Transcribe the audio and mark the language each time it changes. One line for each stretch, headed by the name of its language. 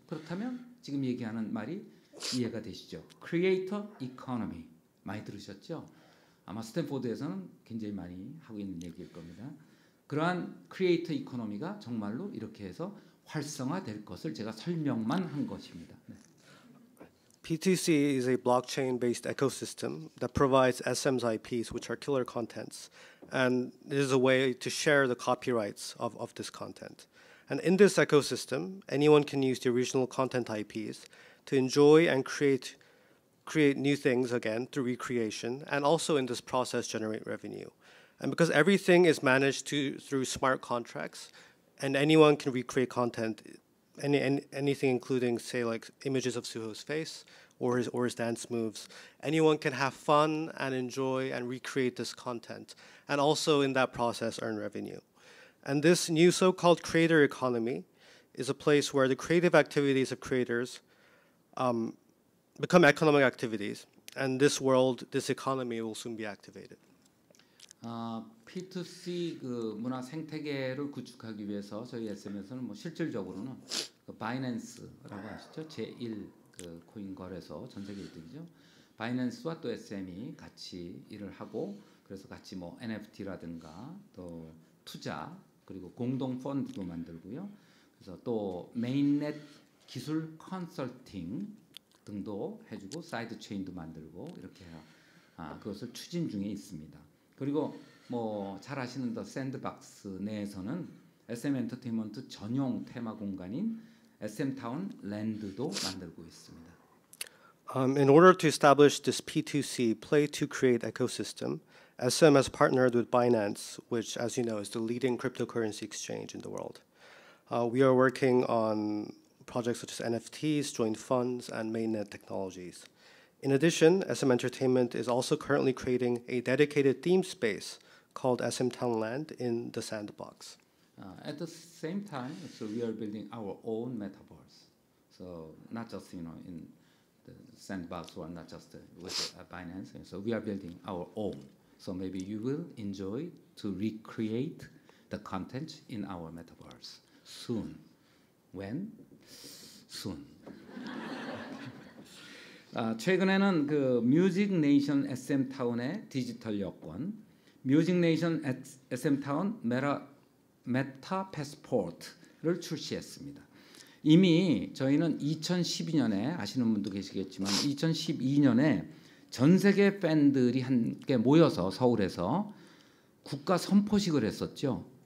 Korean: 그렇다면 지금 얘기하는 말이 이해가 되시죠? 크리에이터 이코노미 많이 들으셨죠? 아마 스탠포드에서는 굉장히 많이 하고 있는 얘기일 겁니다. 그러한 크리에이터 이코노미가 정말로 이렇게 해서 활성화될 것을 제가 설명만 한 것입니다. 네.
English: P2C is a blockchain-based ecosystem that provides SM's IPs, which are killer contents, and it is a way to share the copyrights of this content. And in this ecosystem, anyone can use the original content IPs to enjoy and create new things again through recreation, and also in this process generate revenue. And because everything is managed through smart contracts, and anyone can recreate content, anything including, say, like images of Suho's face or his dance moves, anyone can have fun and enjoy and recreate this content, and also in that process earn revenue. And this new so-called creator economy is a place where the creative activities of creators become economic activities, and this world, this economy will soon be activated.
Korean: P2C 그 문화 생태계를 구축하기 위해서 저희 SM에서는 뭐 실질적으로는 그 바이낸스라고 아시죠? 제1 그 코인 거래소 전 세계 1등이죠. 바이낸스와 또 SM이 같이 일을 하고 그래서 같이 뭐 NFT라든가 또 투자 그리고 공동 펀드도 만들고요. 그래서 또 메인넷 기술 컨설팅 등도 해주고 사이드 체인도 만들고 이렇게 그것을 추진 중에 있습니다. 그리고 뭐 잘 아시는 더 샌드박스 내에서는 SM 엔터테인먼트 전용 테마 공간인 SM 타운 랜드도 만들고 있습니다.
English: In order to establish this P2C play to create ecosystem, SM has partnered with Binance, which as you know is the leading cryptocurrency exchange in the world. We are working on projects such as NFTs, joint funds and mainnet technologies. In addition, SM Entertainment is also currently creating a dedicated theme space called SM Town Land in the sandbox. At the same time, so we are building our own metaverse. So not just you know in the sandbox or not just with Binance. So we are building our own. So maybe you will enjoy to recreate the content in our metaverse soon. When? Soon.
Korean: 최근에는 그 뮤직 네이션 SM 타운의 디지털 여권, 뮤직 네이션 SM 타운 메타 패스포트를 출시했습니다. 이미 저희는 2012년에 아시는 분도 계시겠지만 2012년에 전 세계 팬들이 함께 모여서 서울에서 국가 선포식을 했었죠.